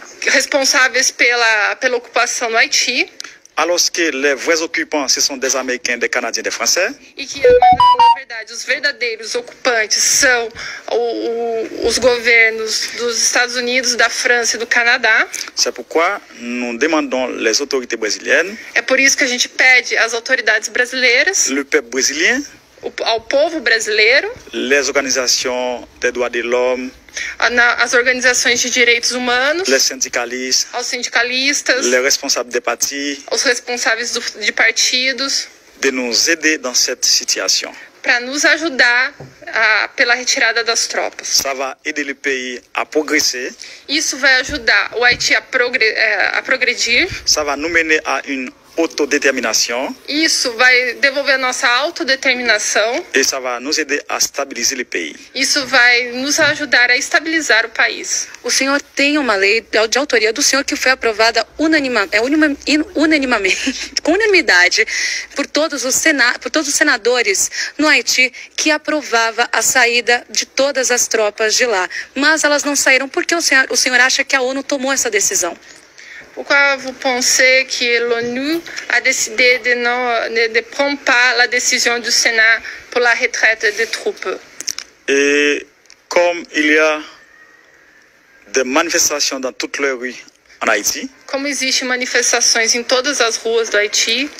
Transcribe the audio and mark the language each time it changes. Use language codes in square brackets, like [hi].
[pt] responsáveis pela ocupação no Haiti. [fr] Alors que les vrais occupants, ce sont des Américains, des Canadiens, des Français. [pt] E que, na verdade, os verdadeiros ocupantes são os governos dos Estados Unidos, da França e do Canadá. [fr] C'est pourquoi nous demandons les autorités brésiliennes. [pt] É por isso que a gente pede às autoridades brasileiras. [fr] Le peuple brésilien. [pt] Ao povo brasileiro. [fr] Les organisations des droits de l'homme. [pt] As organizações de direitos humanos, [fr] les syndicalistes, [pt] aos sindicalistas, [fr] les responsables des partis, [pt] os responsáveis de partidos, [fr] de nos aider dans cette situation. [pt] Para nos ajudar pela retirada das tropas. [fr] Ça va aider le pays à progresser. [pt] Isso vai ajudar o Haiti a progredir. [fr] Ça va nous mener à une autodétermination. [pt] Isso vai devolver a nossa autodeterminação. [fr] E ça va nous aider à stabiliser le pays. [pt] Isso vai nos ajudar a estabilizar o país. O senhor tem uma lei de autoria do senhor que foi aprovada unanimidade por todos os senadores no Haiti que aprovava a saída de todas as tropas de lá. Mas elas não saíram. Por que o senhor acha que a ONU tomou essa decisão? [fr] Pourquoi vous pensez que l'ONU a décidé de ne prendre pas la décision du Sénat pour la retraite des troupes? Et comme il y a des manifestations dans toutes les rues en Haïti, [pt] comme existe manifestações em todas as ruas do Haiti,